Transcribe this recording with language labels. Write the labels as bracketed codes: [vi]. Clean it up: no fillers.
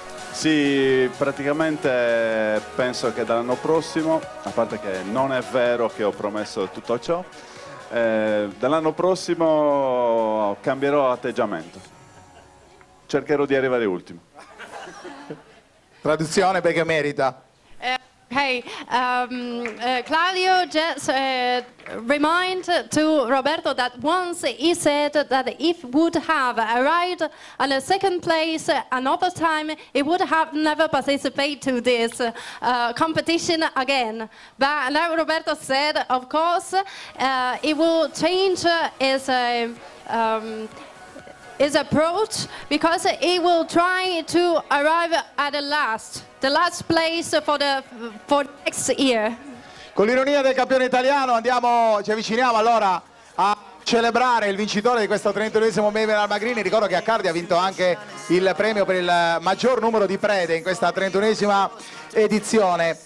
[it] Sì, praticamente penso che dall'anno prossimo, a parte che non è vero che ho promesso tutto ciò, dall'anno prossimo cambierò atteggiamento, cercherò di arrivare ultimo. Traduzione perché merita. [en] Claudio just remind to Roberto that once he said that if would have arrived at a second place another time, he would have never participated to this competition again. But now Roberto said, of course, he will change his his approach, because he will try to arrive at the last place for next year. [it] Con l'ironia del campione italiano andiamo, ci avviciniamo allora a celebrare il vincitore di questo 32esimo Memorial al Magrini. Ricordo che Accardi ha vinto anche il premio per il maggior numero di prede in questa 31esima edizione.